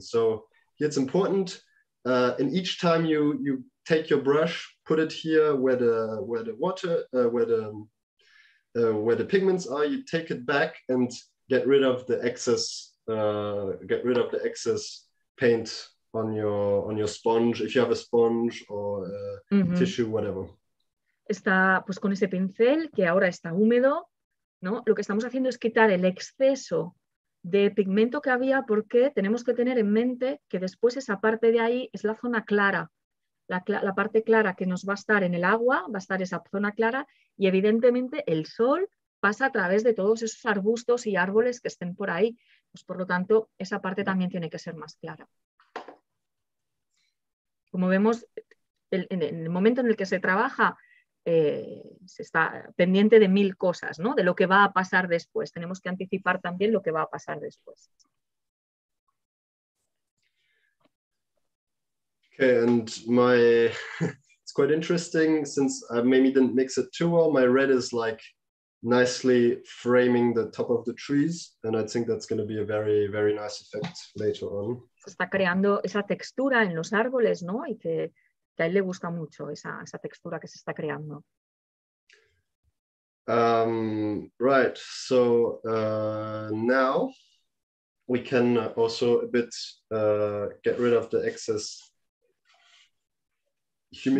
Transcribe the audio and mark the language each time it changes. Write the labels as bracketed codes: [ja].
[en] So here it's important. And each time you take your brush, put it here where the pigments are, you take it back and get rid of the excess paint on your sponge, if you have a sponge or tissue, whatever. [es] Está pues con ese pincel que ahora está húmedo, ¿no? Lo que estamos haciendo es quitar el exceso de pigmento que había, porque tenemos que tener en mente que después esa parte de ahí es la zona clara, la parte clara que nos va a estar en el agua, va a estar esa zona clara, y evidentemente el sol pasa a través de todos esos arbustos y árboles que estén por ahí. Pues por lo tanto, esa parte también tiene que ser más clara. Como vemos, en el momento en el que se trabaja, se está pendiente de mil cosas, ¿no? De lo que va a pasar después. Tenemos que anticipar también lo que va a pasar después. [en] Okay, and it's quite interesting, since I maybe didn't mix it too well, my red is like nicely framing the top of the trees, and I think that's going to be a very, very nice effect later on. [es] Se está creando esa textura en los árboles, ¿no? Y que a él le gusta mucho esa textura que se está creando. [en] Right, so now we can also a bit get rid of the excess humidity.